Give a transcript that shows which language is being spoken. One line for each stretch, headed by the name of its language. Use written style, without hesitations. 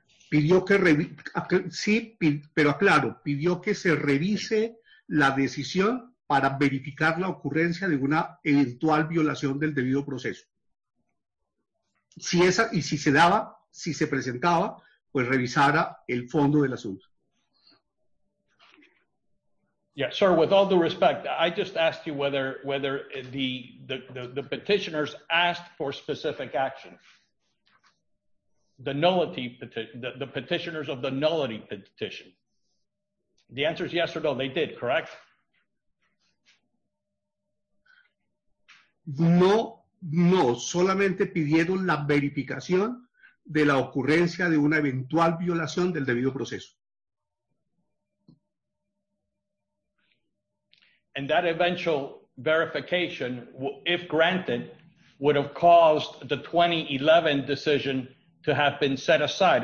Spanish: Pidió que sí, pero aclaro, pidió que se revise la decisión para verificar la ocurrencia de una eventual violación del debido proceso. Si esa, y si se daba, si se presentaba, pues revisara el fondo del asunto.
English: Yeah, sir, with all due respect, I just asked you whether the petitioners asked for specific action. The petitioners of the nullity petition. The answer is yes or no, they did, correct?
Spanish: No, no, solamente pidieron la verificación de la ocurrencia de una eventual violación del debido proceso.
English: And that eventual verification, if granted, would have caused the 2011 decision to have been set aside.